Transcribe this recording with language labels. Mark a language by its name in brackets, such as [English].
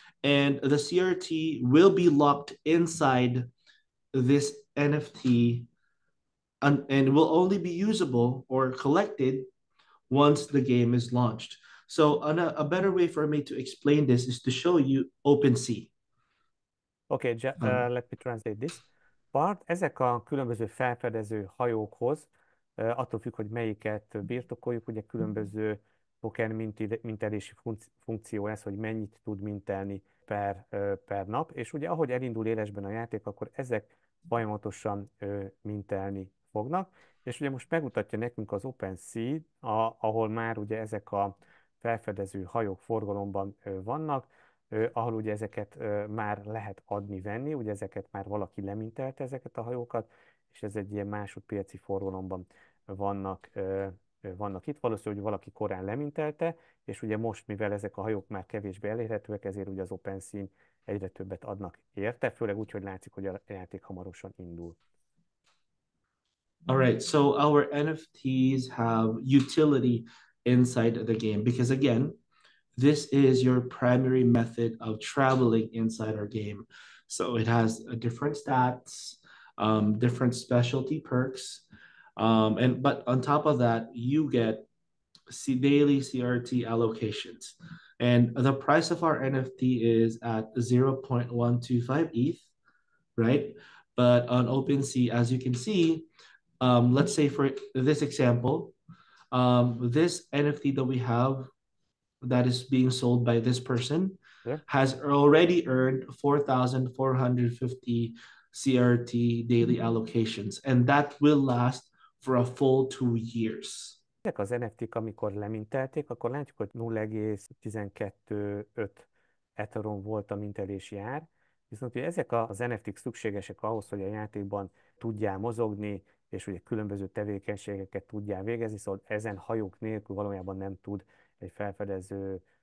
[English] And the CRT will be locked inside this NFT and will only be usable or collected once the game is launched. So a better way for me to explain this is to show you OpenSea. Okay, let me translate this part. [Hungarian] Ezek a különböző felfedező hajókhoz, attól függ, hogy melyiket birtokoljuk, ugye különböző token mintelési funkció ez, hogy mennyit tud mintelni per nap, és ugye ahogy elindul élesben a játék, akkor ezek folyamatosan mintelni fognak, és ugye most megmutatja nekünk az OpenSea, ahol már ugye ezek a felfedező hajók forgalomban vannak, ahol ugye ezeket már lehet adni-venni, ugye ezeket már valaki lemintelte ezeket a hajókat, és ez egy ilyen másodpiaci forgalomban vannak itt. Valószínű, hogy valaki korán lemintelte, és ugye most, mivel ezek a hajók már kevésbé elérhetőek, ezért ugye az OpenSea egyre többet adnak érte, főleg úgy, hogy látszik, hogy a játék hamarosan indul. [English] All right, so our NFTs have utility inside the game, because again, this is your primary method of traveling inside our game. So it has different stats, different specialty perks, but on top of that, you get daily CRT allocations. And the price of our NFT is at 0.125 ETH, right? But on OpenSea, as you can see, let's say for this example, this NFT that we have that is being sold by this person has already earned 4,450 CRT daily allocations, and that will last for a full 2 years. [Hungarian] Ezek az NFT-k, amikor lemintelték, akkor látjuk, hogy 0,125 Ethereum volt a mintelési ár, viszont ugye ezek az NFT-k szükségesek ahhoz, hogy a játékban tudjál mozogni, és ugye különböző tevékenységeket tudjál végezni, szóval ezen hajók nélkül valójában nem tud egy felfedező